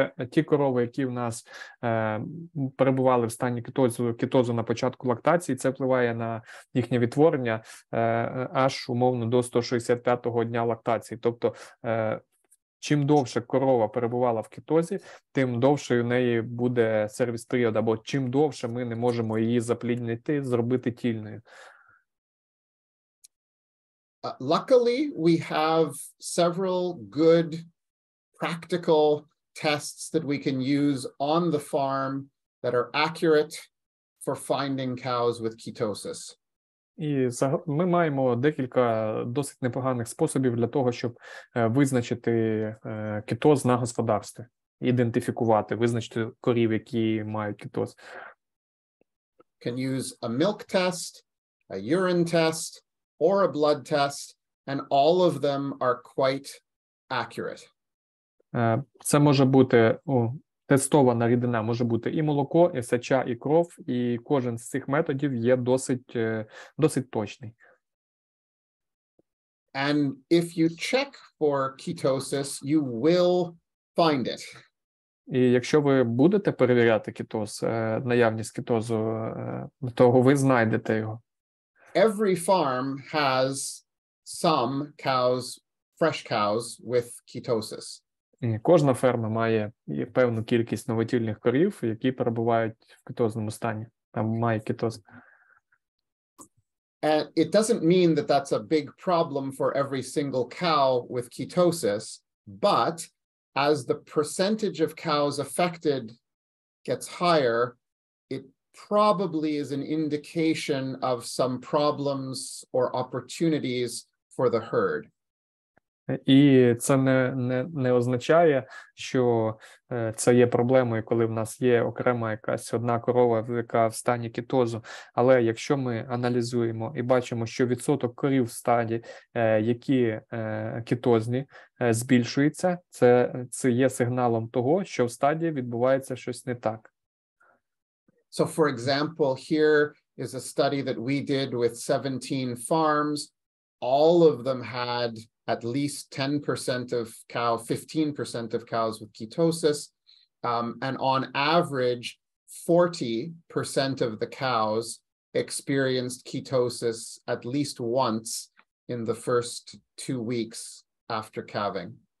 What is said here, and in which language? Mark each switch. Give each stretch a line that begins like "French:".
Ukrainian: Ті корови, які в нас перебували в стані кетозу на початку лактації, це впливає на їхнє відтворення аж умовно до 165-го дня лактації. Тобто чим довше корова перебувала в кетозі, тим довше у неї буде сервіс-період, або чим довше ми не можемо її запліднити, зробити тільною.
English: Luckily, we have several good practical tests that we can use on the farm that are accurate for finding cows with ketosis.
Ukrainian: І ми маємо декілька досить непоганих способів для того, щоб визначити кетоз на господарстві, ідентифікувати, визначити корів, які мають кетоз.
English: Can use a milk test, a urine test, or a blood test, and all of them are quite accurate.
Ukrainian: Це може бути тестована рідина, може бути і молоко, і сеча, і кров, і кожен з цих методів є досить точний.
English: And if you check for ketosis, you will find it.
Ukrainian: І якщо ви будете перевіряти кетоз, наявність кетозу, то ви знайдете його.
English: Every farm has some cows, fresh cows with ketosis.
Ukrainian: І кожна ферма має певну кількість новотільних корів, які перебувають в кетозному стані, там має кетоз.
English: And it doesn't mean that that's a big problem for every single cow with ketosis, but as the percentage of cows affected gets higher, it probably is an indication of some problems or opportunities for the herd.
Ukrainian: І це не означає, що це є проблемою, коли в нас є окрема якась одна корова, яка в стані кетозу. Але якщо ми аналізуємо і бачимо, що відсоток корів в стані, які кетозні, збільшується, це є сигналом того, що в стаді відбувається щось не так.
English: So, for example, here is a study that we did with 17 farms. All of them had at least 10% of cow, 15% of cows with ketosis, and on average, 40% of the cows experienced ketosis at least once in the first 2 weeks after calving.